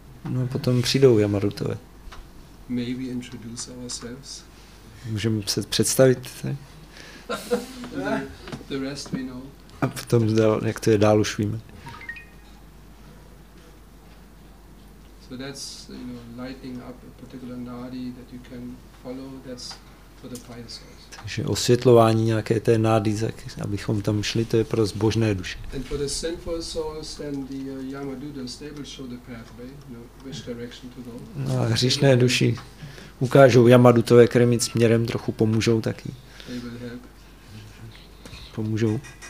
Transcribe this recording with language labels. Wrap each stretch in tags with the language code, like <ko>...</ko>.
<cs>No potom přijdou Yamadutové.</cs> <en>Maybe introduce ourselves.</en> <cs>Můžeme se představit,</cs> <en>the rest we know.</en> <cs>A potom, jak to je dál, už víme.</cs> <en>So that's, you know, lighting up a particular nadi that you can follow, that's for the pious souls.</en> <cs>Takže osvětlování nějaké té nády, abychom tam šli, to je pro zbožné duše.</cs> <en>And for the sinful souls and the Yamadutas, they will show the pathway, you know, which direction to go.</en> <cs>No a hříšné duši ukážou Yamadutové, které mít směrem, trochu pomůžou taky. Pomůžou.</cs>